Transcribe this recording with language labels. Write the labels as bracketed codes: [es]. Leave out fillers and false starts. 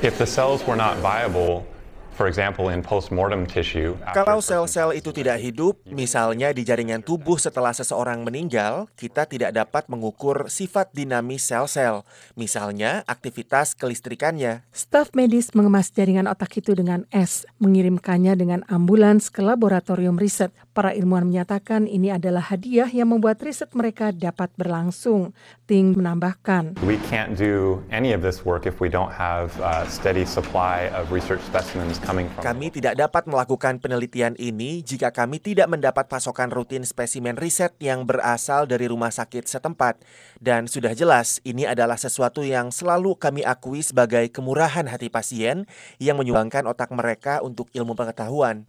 [en] "If the cells were not viable, for example, in postmortem tissue, [id] kalau sel-sel itu tidak hidup, misalnya di jaringan tubuh setelah seseorang meninggal, kita tidak dapat mengukur sifat dinamis sel-sel, misalnya aktivitas kelistrikannya." Staf medis mengemas jaringan otak itu dengan es, mengirimkannya dengan ambulans ke laboratorium riset. Para ilmuwan menyatakan ini adalah hadiah yang membuat riset mereka dapat berlangsung. Ting menambahkan, [en] "We can't do any of this work if we don't have a steady supply of research specimens." coming from. [id] Kami tidak dapat melakukan penelitian ini jika kami tidak mendapat pasokan rutin spesimen riset yang berasal dari rumah sakit setempat. Dan sudah jelas, ini adalah sesuatu yang selalu kami akui sebagai kemurahan hati pasien yang menyumbangkan otak mereka untuk ilmu pengetahuan.